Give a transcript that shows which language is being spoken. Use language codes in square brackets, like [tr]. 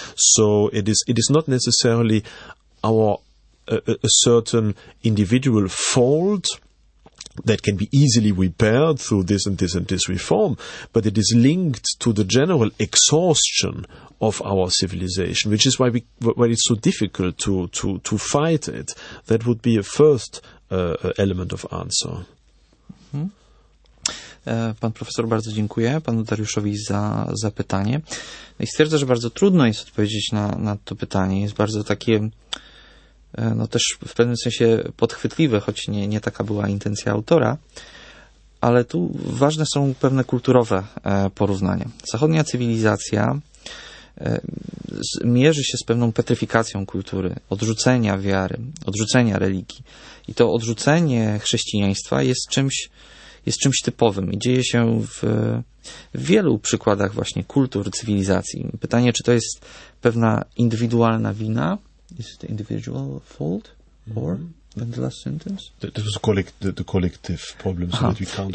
[en] So it is not necessarily a certain individual fault that can be easily repaired through this and this and this reform, but it is linked to the general exhaustion of our civilization, which is why it's so difficult to fight it. That would be a first element of answer. [pl] Pan profesor, bardzo dziękuję panu Dariuszowi za pytanie. I stwierdzę, że bardzo trudno jest odpowiedzieć na to pytanie. Jest bardzo takie... No też w pewnym sensie podchwytliwe, choć nie taka była intencja autora, ale tu ważne są pewne kulturowe porównania. Zachodnia cywilizacja mierzy się z pewną petryfikacją kultury, odrzucenia wiary, odrzucenia religii. I to odrzucenie chrześcijaństwa jest czymś typowym i dzieje się w wielu przykładach właśnie kultur, cywilizacji. Pytanie, czy to jest pewna indywidualna wina? [en] Is it the individual fault, or mm-hmm. the last sentence? This is the collective problem, so that we can't...